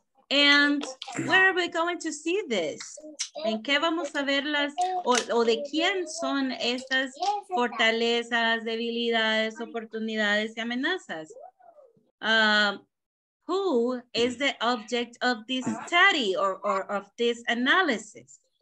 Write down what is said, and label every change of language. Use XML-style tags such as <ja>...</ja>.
<en>And where are we going to see this?</en> <es>¿En qué vamos a ver las, o de quién son estas fortalezas, debilidades, oportunidades y amenazas?</es> <en>Who is the object of this study or of this analysis?</en>